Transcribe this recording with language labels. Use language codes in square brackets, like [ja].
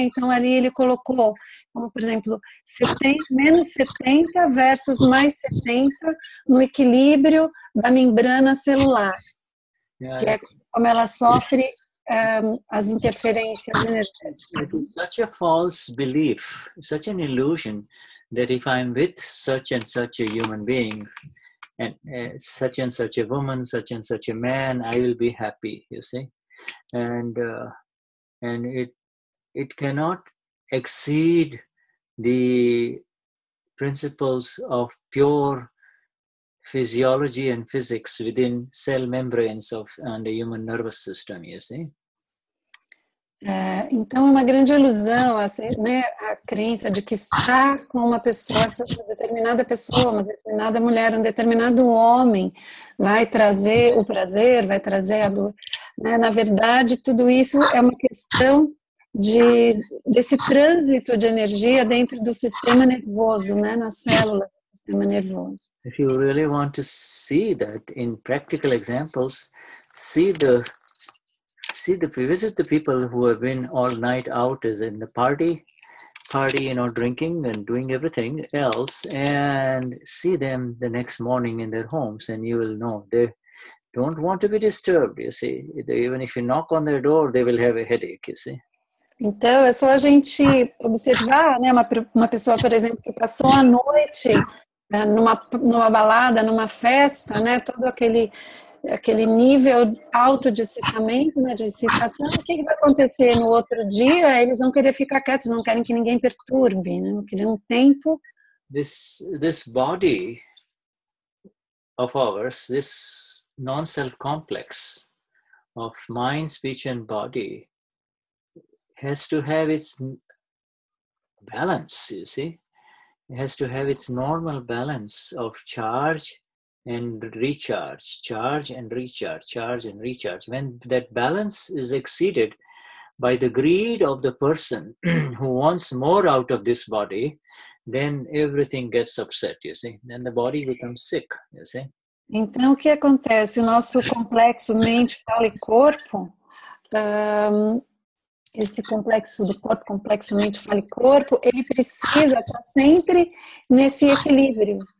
[pt] Então ali ele colocou, como por exemplo, 70, menos 70 versus mais 70 no equilíbrio da membrana celular, que é como ela sofre as interferências energéticas. [en] Such a false belief, such an illusion, that if I'm with such and such a human being, and such a woman, such and such a man, I will be happy, you see? And it cannot exceed the principles of pure physiology and physics within cell membranes of and the human nervous system, you see? [pt] Então é uma grande ilusão, assim, né, a crença de que estar com uma pessoa, uma determinada pessoa, uma determinada mulher, um determinado homem vai trazer o prazer, vai trazer a dor. Né? Na verdade, tudo isso é uma questão desse trânsito de energia dentro do sistema nervoso, né, na célula do sistema nervoso. [en] If you really want to see that in practical examples, see the visit the people who have been all night out as in the party, you know, drinking and doing everything else, and see them the next morning in their homes, and you will know they don't want to be disturbed, you see. Even if you knock on their door, they will have a headache, you see. [pt] Então, é só a gente observar, né, uma pessoa, por exemplo, que passou a noite numa balada, numa festa, né, todo aquele nível alto de excitamento, né, de excitação, o que vai acontecer no outro dia? Eles vão querer ficar quietos, não querem que ninguém perturbe, né? Vão querer um tempo. [en] This body of ours, this non-self complex of mind, speech and body has to have its balance, you see? It has to have its normal balance of charge and recharge, charge and recharge, charge and recharge. When that balance is exceeded by the greed of the person who wants more out of this body, then everything gets upset, you see? Then the body becomes sick, you see? [pt] Então, o que acontece? O nosso complexo mente, fala e corpo, esse complexo do corpo, complexo mente, fala e corpo, ele precisa estar sempre nesse equilíbrio.